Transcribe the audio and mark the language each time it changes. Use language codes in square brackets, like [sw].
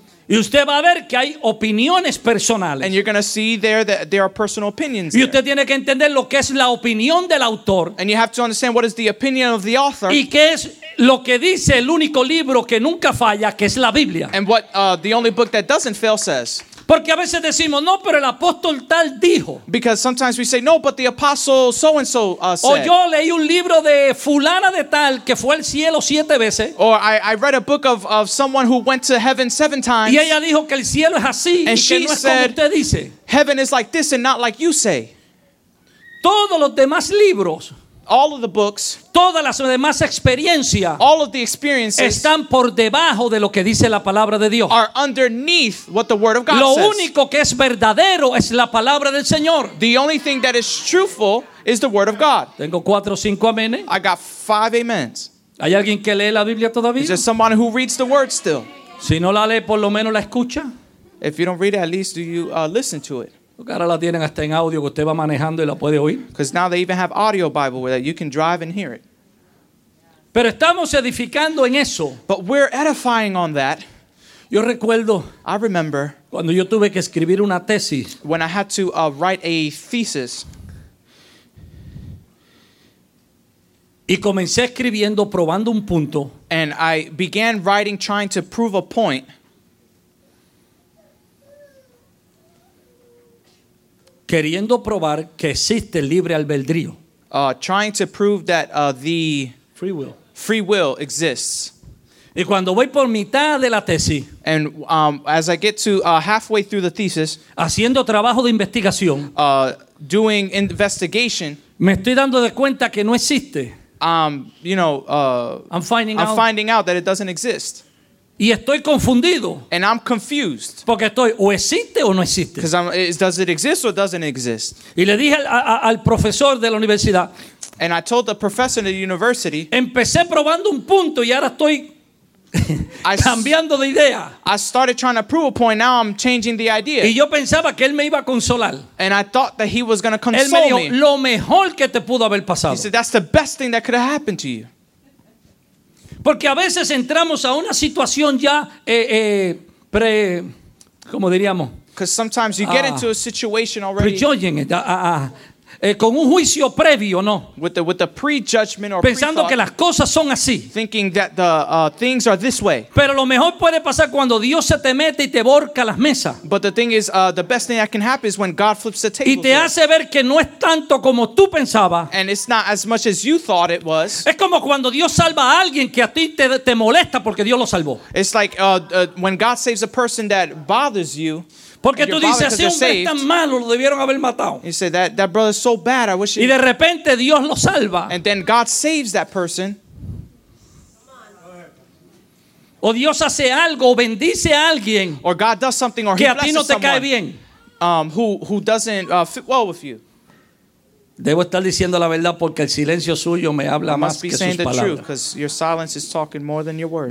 [es] Y usted va a ver que hay opiniones personales. [en] And you're going to see there that there are personal opinions. [es] Y usted tiene que entender lo que es la opinión del autor. [en] And you have to understand what is the opinion of the author. [es] Y qué es lo que dice el único libro que nunca falla, que es la Biblia. [en] And what the only book that doesn't fail says. [es] Porque a veces decimos, no, pero el apóstol tal dijo. [en] Because sometimes we say, no, but the apostle so-and-so said. [es] O yo leí un libro de fulana de tal que fue al cielo siete veces. [en] Or I read a book of someone who went to heaven seven times. [es] Y ella dijo que el cielo es así [en] and [es] y que no es [en] said, [es] como usted dice. [en] Heaven is like this and not like you say. [es] Todos los demás libros. [en] all of the books, [es] todas las demás experiencias, [en] all of the experiences, [es] están por debajo de lo que dice la palabra de Dios. [en] Are underneath what the word of God says. [es] Lo único que es verdadero es la palabra del Señor. [en] The only thing that is truthful is the word of God. [es] Tengo cuatro o cinco amenes. [en] I got five amens. [es] ¿Hay alguien que lee la Biblia todavía? [en] Is there someone who reads the word still? [es] Si no la lee, por lo menos la escucha. [en] If you don't read it, at least do you listen to it? [es] Ahora la tienen hasta en audio que usted va manejando y la puede oír. [en] Because now they even have audio Bible where you can drive and hear it. [es] Pero estamos edificando en eso. [en] But we're edifying on that. [es] Yo recuerdo. [en] I remember. [es] Cuando yo tuve que escribir una tesis. [en] When I had to write a thesis. [es] Y comencé escribiendo probando un punto. [en] And I began writing trying to prove a point. [es] Queriendo probar que existe libre albedrío. [en] Trying to prove that the free will exists. [es] Y cuando voy por mitad de la tesis, [en] and as I get to halfway through the thesis, [es] haciendo trabajo de investigación, [en] doing investigation, [es] me estoy dando de cuenta que no existe. [en] I'm finding out that it doesn't exist. [es] Y estoy confundido. [en] And I'm confused. [es] Porque estoy, o existe o no existe. [en] Does it exist or doesn't exist? [es] Y le dije al profesor de la universidad. [en] And I told the professor at the university. [es] Empecé probando un punto y ahora estoy cambiando de idea. [en] I started trying to prove a point. Now I'm changing the idea. [es] Y yo pensaba que él me iba a consolar. [en] And I thought that he was going to console me. [es] Él me dijo, [en] me. [es] Lo mejor que te pudo haber pasado. [en] He said, that's the best thing that could have happened to you. [es] Porque a veces entramos a una situación ya pre, ¿cómo diríamos? [en] Because sometimes you get into a situation already. Prejudging it, [es] con un juicio previo, ¿no? [en] With the prejudgment or [es] pensando que las cosas son así. [en] Thinking that the things are this way. [es] Pero lo mejor puede pasar cuando Dios se te mete y te borca las mesas. [en] But the thing is, the best thing that can happen is when God flips the table. [es] Y te hace ver que no es tanto como tú pensabas. [en] And it's not as much as you thought it was. [es] Es como cuando Dios salva a alguien que a ti te molesta porque Dios lo salvó. [en] It's like when God saves a person that bothers you. [es] Porque tú dices, ese hombre es tan malo, lo debieron haber matado. [en] He said, that brother is so bad, I wish he... [es] Y de repente Dios lo salva. [en] And then God saves that person. [es] O Dios hace algo, bendice a alguien. [en] Or God does something, or [es] que [en] he [es] a ti no te cae bien. [en] Who doesn't fit well with you. [es] Debo estar diciendo la verdad porque el silencio suyo me habla más que sus palabras. [en] Must be saying the truth, because your silence is talking more than your words.